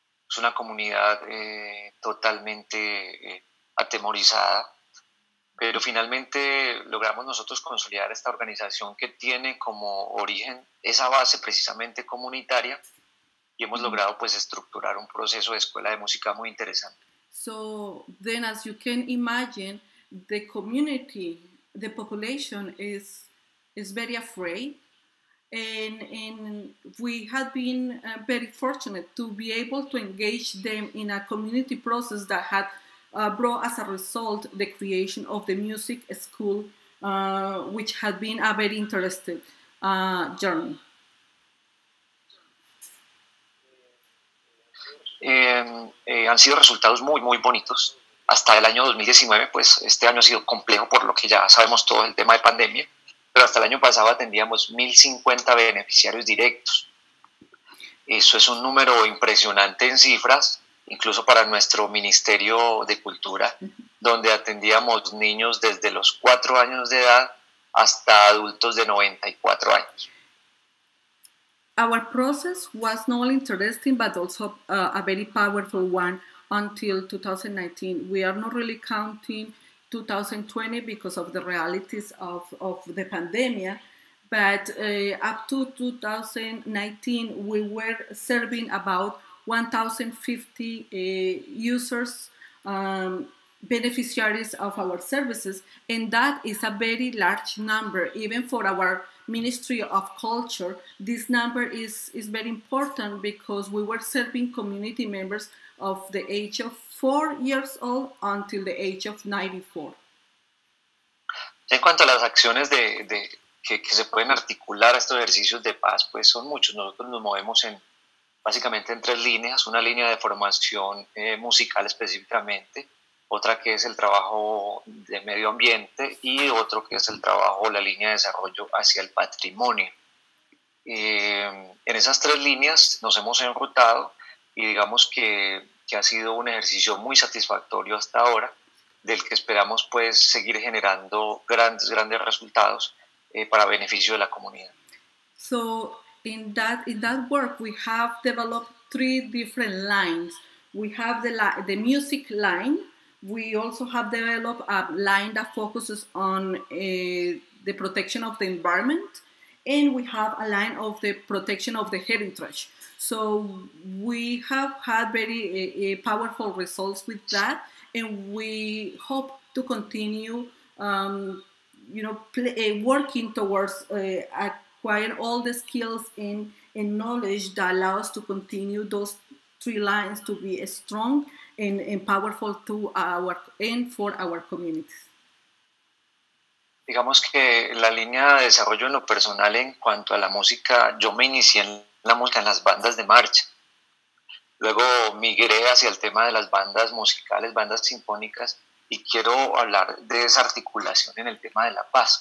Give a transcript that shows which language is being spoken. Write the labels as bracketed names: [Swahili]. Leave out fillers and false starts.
[Spanish] Es una comunidad totalmente atemorizada, pero finalmente logramos nosotros consolidar esta organización que tiene como origen esa base precisamente comunitaria y hemos logrado pues estructurar un proceso de escuela de música muy interesante. [English] So then, as you can imagine, the community, the population is very afraid. And we have been very fortunate to be able to engage them in a community process that had brought as a result the creation of the music school, which had been a very interesting journey. [Spanish] Han sido resultados muy, muy bonitos. Hasta el año 2019, pues este año ha sido complejo por lo que ya sabemos todo el tema de pandemia. Pero hasta el año pasado atendíamos 1,050 beneficiarios directos. Eso es un número impresionante en cifras, incluso para nuestro Ministerio de Cultura, donde atendíamos niños desde los 4 años de edad hasta adultos de 94 años. [English] Our process was not only interesting, but also a very powerful one until 2019. We are not really counting 2020 because of the realities of the pandemic, but up to 2019 we were serving about 1,050 users, beneficiaries of our services, and that is a very large number. Even for our Ministry of Culture, this number is very important because we were serving community members of the age of 4 years old until the age of 94. [Spanish] En cuanto a las acciones de, de, que se pueden articular a estos ejercicios de paz, pues son muchos. Nosotros nos movemos en básicamente en tres líneas: una línea de formación musical específicamente, otra que es el trabajo de medio ambiente y otro que es el trabajo, la línea de desarrollo hacia el patrimonio. En esas tres líneas nos hemos enrutado y digamos que ha sido un ejercicio muy satisfactorio hasta ahora, del que esperamos pues seguir generando grandes resultados para beneficio de la comunidad. [English] So in that work we have developed three different lines. We have the music line. We also have developed a line that focuses on the protection of the environment, and we have a line of the protection of the heritage. So we have had very powerful results with that, and we hope to continue, working towards acquiring all the skills and knowledge that allow us to continue those three lines to be strong and powerful to our and for our communities. [Spanish] Digamos que la línea de desarrollo en lo personal en cuanto a la música, yo me inicié en la música en las bandas de marcha. Luego migré hacia el tema de las bandas musicales, bandas sinfónicas, y quiero hablar de esa articulación en el tema de la paz.